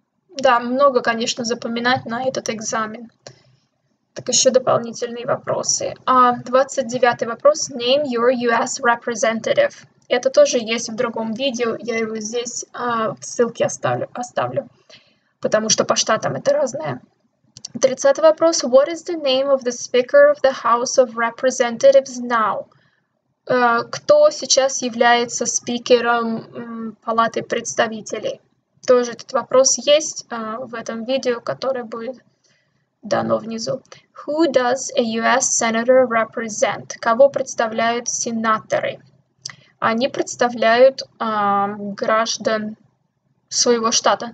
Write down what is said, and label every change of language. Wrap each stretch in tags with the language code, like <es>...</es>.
<ru>Да, много, конечно, запоминать на этот экзамен. Так еще дополнительные вопросы. 29-й вопрос.</ru> <en>Name your US representative.</en> <ru>Это тоже есть в другом видео. Я его здесь в ссылке оставлю. Потому что по штатам это разное. 30-й вопрос.</ru> <en>What is the name of the Speaker of the House of Representatives now?</en> <ru>Кто сейчас является спикером Палаты представителей? Тоже этот вопрос есть в этом видео, которое будет дано внизу.</ru> <en>Who does a US senator represent?</en> <ru>Кого представляют сенаторы? Они представляют граждан своего штата.</ru>